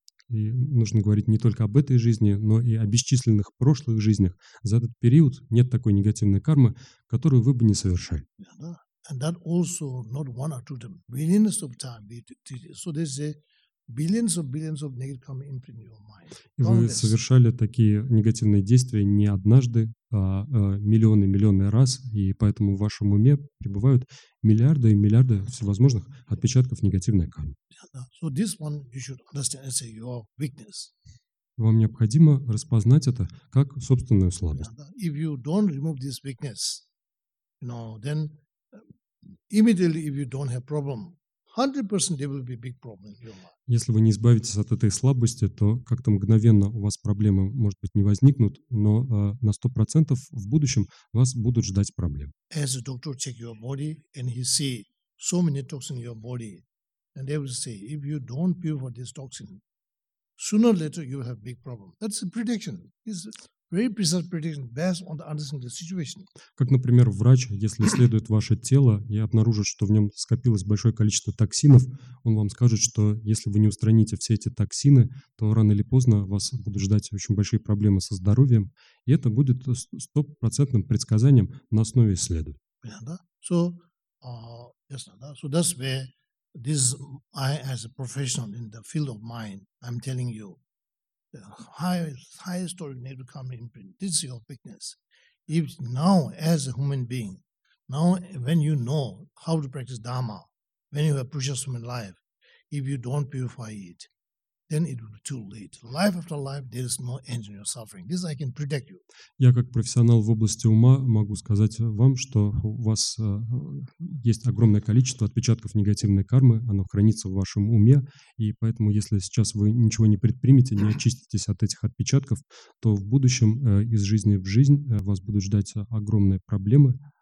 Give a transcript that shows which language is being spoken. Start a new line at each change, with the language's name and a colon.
Russian: И нужно говорить не только об этой жизни, но и о бесчисленных прошлых жизнях. За этот период нет такой негативной кармы, которую вы бы не совершали.
English: And that also not one or two times, millions of times we did it. So there's a billions of billions of negative karma imprint in your mind.
Russian: Вы совершали такие негативные действия не однажды, а миллионы и миллионы раз, и поэтому в вашем уме пребывают миллиарды и миллиарды всевозможных отпечатков негативной кармы.
English: So this one you should understand as your weakness.
Russian: Вам необходимо распознать это как собственную слабость.
English: If you don't remove this weakness, then immediately if you don't have problem, 100% there will be big problem in your life.
Russian: Если вы не избавитесь от этой слабости, то как-то мгновенно у вас проблемы, может быть, не возникнут, но на 100% в будущем вас будут ждать проблемы.
English: As a doctor check your body and he see so many toxins in your body, and they will say, if you don't purify this toxin, sooner or later you will have big problem. That's a prediction. It's very precise prediction based on the understanding of the situation.
Russian: Как, например, врач, если исследует ваше тело и обнаружит, что в нем скопилось большое количество токсинов, он вам скажет, что если вы не устраните все эти токсины, то рано или поздно вас будут ждать очень большие проблемы со здоровьем, и это будет 100% предсказанием на основе исследований.
English: Да. So, yes, да. So that's where this I, as a professional in the field of mind, I'm telling you. High historic negative karma imprint. This is your weakness. If now, as a human being, now when you know how to practice Dharma, when you have precious human life, if you don't purify it, then it will be too late. Life after life, there is no end in your suffering. This I can predict you.
Russian: Я как профессионал в области ума могу сказать вам, что у вас есть огромное количество отпечатков негативной кармы, оно хранится в вашем уме, и поэтому, если сейчас вы ничего не предпримете, не очиститесь от этих отпечатков, то в будущем из жизни в жизнь вас будут ждать огромные проблемы.